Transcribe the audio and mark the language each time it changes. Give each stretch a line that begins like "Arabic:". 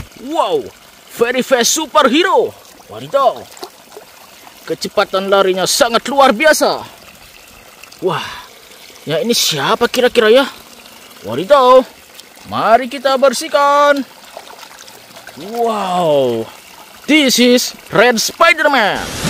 English: Wow, very fast superhero. Wadidaw.
Indonesian: Kecepatan larinya sangat luar biasa. Wah, ya ini siapa kira-kira ya? Wadidaw, mari kita bersihkan.
English: Wow, this is Red Spider-Man.